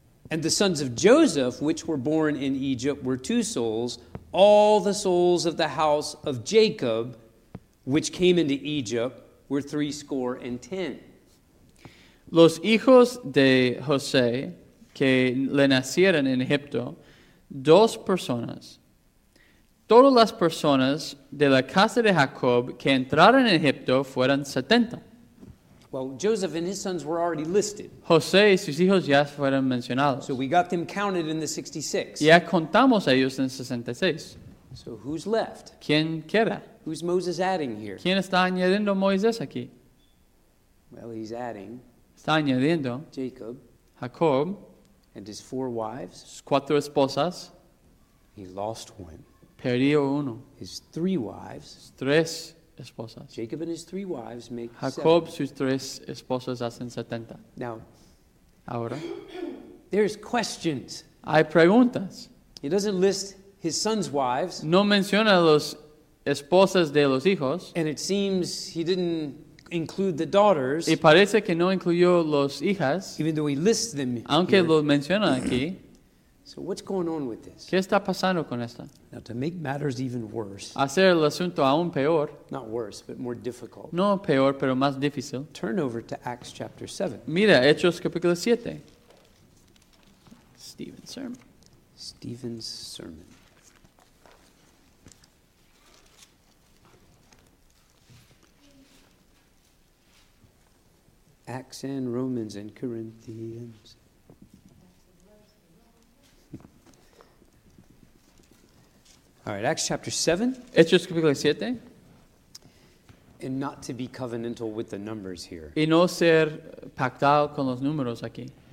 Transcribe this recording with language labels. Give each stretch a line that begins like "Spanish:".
English: And the sons of Joseph, which were born in Egypt, were two souls. All the souls of the house of Jacob, which came into Egypt, were 70.
Spanish: Los hijos de José, que le nacieron en Egipto, dos personas. todas las personas de la casa de Jacob que entraron en Egipto fueran 70.
English: Well, Joseph and his sons were already listed.
Spanish: José y sus hijos ya fueron mencionados.
English: So we got them counted in the 66.
Spanish: Ya contamos a ellos en 66.
English: So who's left?
Spanish: ¿Quién queda?
English: Who's Moses adding here?
Spanish: ¿Quién está añadiendo Moisés aquí?
English: Well, he's adding.
Spanish: Está añadiendo.
English: Jacob.
Spanish: Jacob.
English: And his four wives.
Spanish: Sus cuatro esposas.
English: He lost one.
Spanish: Perdió uno.
English: His three wives.
Spanish: Sus tres esposas.
English: Jacob and his three wives make
Spanish: Jacob, 70. Sus tres esposas hacen 70.
English: Now,
Spanish: ahora,
English: there's questions.
Spanish: Hay preguntas.
English: He doesn't list his sons' wives.
Spanish: No menciona los esposas de los hijos.
English: And it seems he didn't include the daughters.
Spanish: Y parece que no incluyó los hijas.
English: Even though he lists them.
Spanish: Aunque
English: here.
Spanish: Lo menciona aquí.
English: So what's going on with this?
Spanish: ¿Qué está pasando con esta?
English: Now to make matters even worse.
Spanish: Hacer el asunto aún peor.
English: Not worse, but more difficult.
Spanish: No peor, pero más difícil.
English: Turn over to Acts chapter 7.
Spanish: Mira, Hechos capítulo 7.
English: Stephen's sermon. Stephen's sermon. Acts and Romans and Corinthians. All right, Acts chapter 7.
Spanish: Hechos capítulo 7.
English: And not to be covenantal with the numbers here.
Spanish: Y no ser pactado con los números aquí.